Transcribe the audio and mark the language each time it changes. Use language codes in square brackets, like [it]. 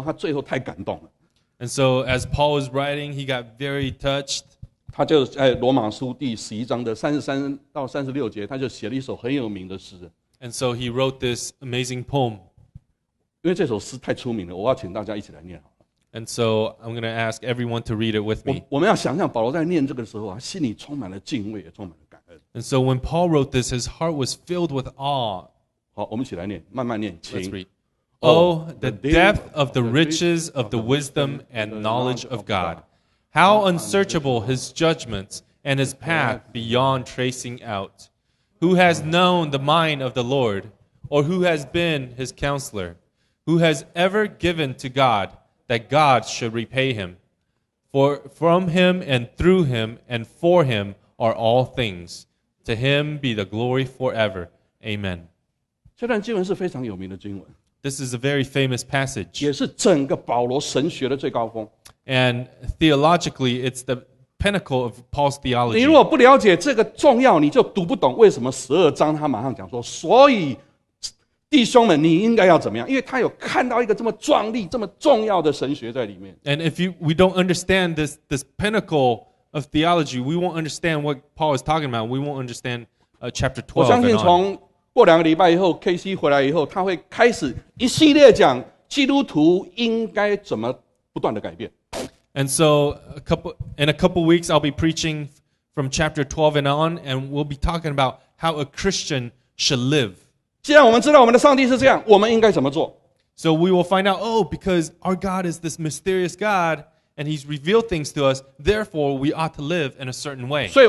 [en] and so as Paul was writing, he got very touched. [zh] 他就在罗马书第11章的33到36节, 他就写了一首很有名的诗。 [en] And so he wrote this amazing poem. [zh] 因为这首诗太出名了, 我要请大家一起来念好了。 [en] And so I'm going to ask everyone to read it with me. [zh] 我们要想象保罗在念这个时候啊, 心里充满了敬畏, 也充满了感恩。 [en] And so when Paul wrote this, his heart was filled with awe. [zh] 好, 我们一起来念, 慢慢念, 请。 [en] Let's read. Oh, the depth of the riches of the wisdom and knowledge of God. How unsearchable His judgments and His path beyond tracing out. Who has known the mind of the Lord, or who has been His counselor? Who has ever given to God that God should repay Him? For from Him and through Him and for Him are all things. To Him be the glory forever. Amen. This is a very famous passage. And theologically, it's the pinnacle of Paul's theology. [zh] 你如果不了解这个重要, 你就读不懂为什么12章他马上讲说, 所以弟兄们, 你应该要怎么样? 因为他有看到一个这么壮丽, 这么重要的神学在里面。 [en] And if we don't understand this pinnacle of theology, we won't understand what Paul is talking about. We won't understand chapter 12. [zh] 我相信从过两个礼拜以后, KC回来以后, 他会开始一系列讲基督徒应该怎么不断的改变。 [en] And so in a couple weeks I'll be preaching from chapter 12 and on, and we'll be talking about how a Christian should live. So we will find out, oh, because our God is this mysterious God and He's revealed things to us, therefore we ought to live in a certain way.